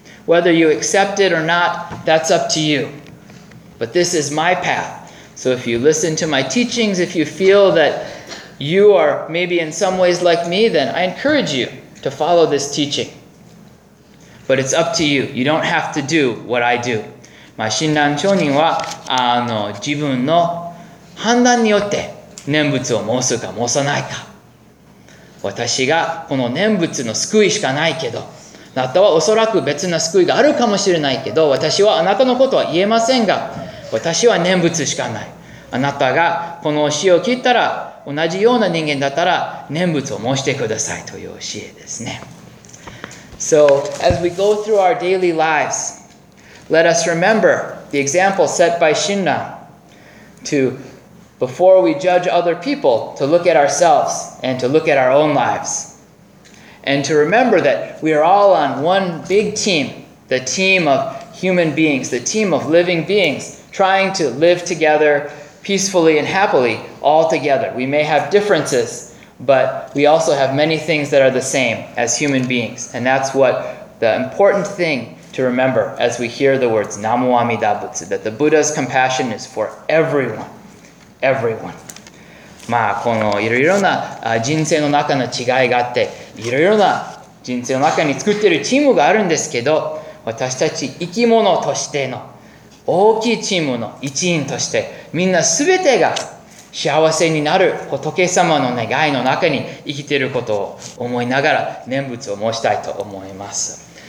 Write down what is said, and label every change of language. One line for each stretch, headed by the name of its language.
English: Whether you accept it or not, that's up to you. But this is my path. So if you listen to my teachings, if you feel that you are maybe in some ways like me, then I encourage you to follow this teaching. But it's up to you. You don't have to do what I do.
Japanese: まあ、親鸞聖人はあの自分の判断によって念仏を申すか申さないか、私がこの念仏の救いしかないけど、あなたはおそらく別な救いがあるかもしれないけど、私はあなたのことは言えませんが、私は念仏しかない、あなたがこの教えを聞いたら同じような人間だったら念仏を申してくださいという教えですね。
English: So as we go through our daily lives,Let us remember the example set by Shinran to, before we judge other people, to look at ourselves and to look at our own lives. And to remember that we are all on one big team, the team of human beings, the team of living beings, trying to live together peacefully and happily all together. We may have differences, but we also have many things that are the same as human beings. And that's what the important thingTo remember as we hear the words Namo Amida Butsu, that the Buddha's compassion is for everyone. Everyone.
Japanese: まあこのいろいろな人生の中の違いがあって、いろいろな人生の中に作っているチームがあるんですけど、私たち生き物としての大きいチームの一員として、みんなすべてが幸せになる仏様の願いの中に生きていることを思いながら念仏を申したいと思います。